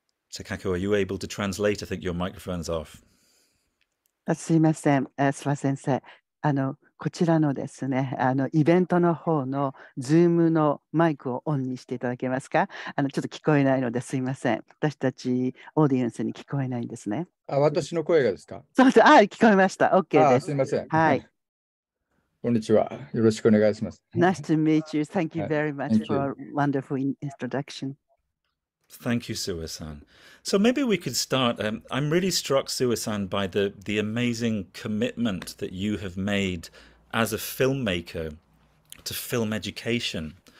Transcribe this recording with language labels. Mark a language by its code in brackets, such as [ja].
[en] Takako, are you able to translate? I think your microphone's off. [ja] すいません、諏訪先生、こちらのですね、イベントの方の Zoom のマイクをオンにしていただけますか。ちょっと聞こえないのですいません、私たちオーディエンスに聞こえないんですね。あ、私の声がですか。そうそう、あ、聞こえました。 OK です。あ、すいません、はい、こんにちは、よろしくお願いします。 [en] Nice to meet you. Thank you very much for a wonderful introduction. Thank you, Suwa-san. So maybe we could start. I'm really struck, Suwa-san, by the amazing commitment that you have made as a filmmaker to film education.